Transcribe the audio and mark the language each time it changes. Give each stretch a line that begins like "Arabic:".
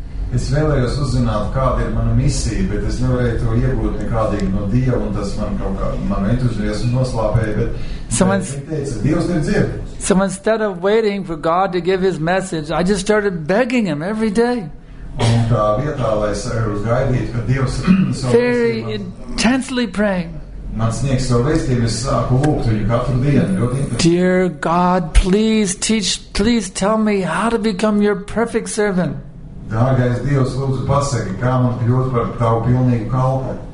Latvian: Es vēlējos uzzināt, kāda ir mana misija, bet es nevarēju to iegūt nekādīgi no Dieva, un tas man kaut kā, manu entuziasmu noslāpēja, bet viņi teica, Dievs ir dzird.
English: So instead of waiting for God to give his message, I just started begging him every day.
Latvian: Un tā vietā, lai es arī uzgaidītu, ka Dievs
English: very intensely praying.
Latvian: Man sniegs savu vēstījumu, es sāku lūgt viņu katru dienu, ļoti intensīvi.
English: Dear God, please tell me how to become your perfect servant.
Latvian: Dārgais Dievs, lūdzu pasaki, kā man kļūt par tavu pilnīgu kalpu.